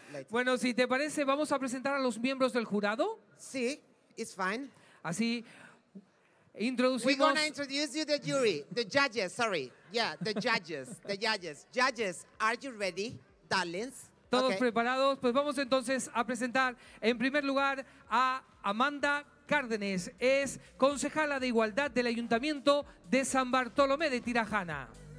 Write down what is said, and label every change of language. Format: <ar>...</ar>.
<es>Bueno, si te parece, vamos a presentar a los miembros del jurado.</es> <en>Sí, it's fine.</en> <es>Así, introducimos...</es> <en>We're going to introduce you the jury, the judges, sorry. Yeah, the judges. Judges, are you ready, darlings?</en> <es>Todos okay. Preparados, pues vamos entonces a presentar en primer lugar a Amanda Cárdenes, es concejala de Igualdad del Ayuntamiento de San Bartolomé de Tirajana.</es>